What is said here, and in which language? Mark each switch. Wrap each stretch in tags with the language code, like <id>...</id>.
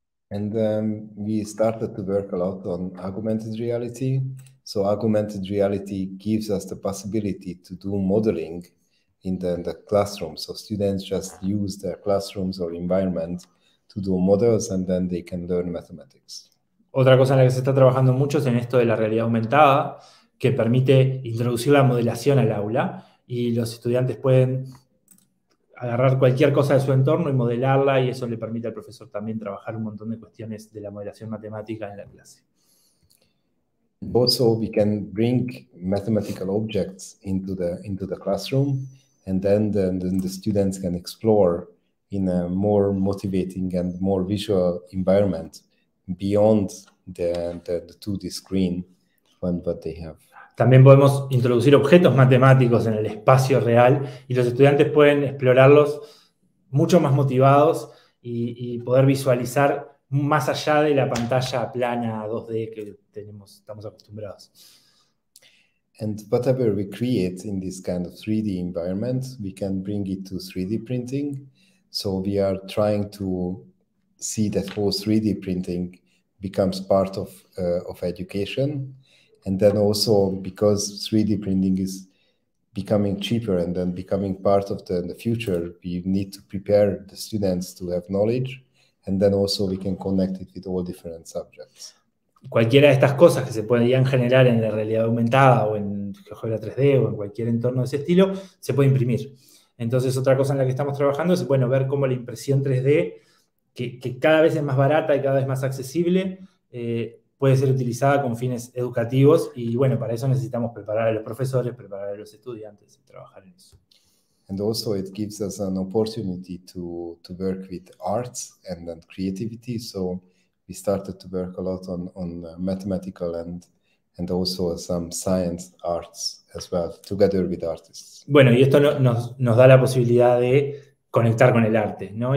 <en>And we started to work a lot on augmented reality. So augmented reality gives us the possibility to do modeling in the classroom. So students just use their classrooms or environment to do models and then they can learn mathematics.</en> <es>Otra cosa en la que se está trabajando mucho es en esto de la realidad aumentada, que permite introducir la modelación al aula y los estudiantes pueden agarrar cualquier cosa de su entorno y modelarla, y eso le permite al profesor también trabajar un montón de cuestiones de la modelación matemática en la clase.</es> <en>Also, we can bring mathematical objects into the classroom, and then the students can explore in a more motivating and more visual environment beyond the 2D screen what they have.</en> <es>También podemos introducir objetos matemáticos en el espacio real y los estudiantes pueden explorarlos mucho más motivados y poder visualizar más allá de la pantalla plana 2D que estamos acostumbrados.</es> <en>And whatever we create in this kind of 3D environment, we can bring it to 3D printing. So we are trying to see that whole 3D printing becomes part of education. And then also, because 3D printing is becoming cheaper and then becoming part of the future, we need to prepare the students to have knowledge, and then also we can connect it with all different subjects.</en> <es>Cualquiera de estas cosas que se podrían generar en la realidad aumentada o en GeoGebra 3D o en cualquier entorno de ese estilo, se puede imprimir. Entonces, otra cosa en la que estamos trabajando es, bueno, ver cómo la impresión 3D, que cada vez es más barata y cada vez más accesible, puede ser utilizada con fines educativos, y bueno, para eso necesitamos preparar a los profesores, preparar a los estudiantes y trabajar en eso.</es> <en>And also it gives us an opportunity to work with arts and creativity, so we started to work a lot on mathematical and and also some science arts as well, together with artists.</en> <es>Bueno, y esto nos da la posibilidad de conectar con el arte, ¿no?</es>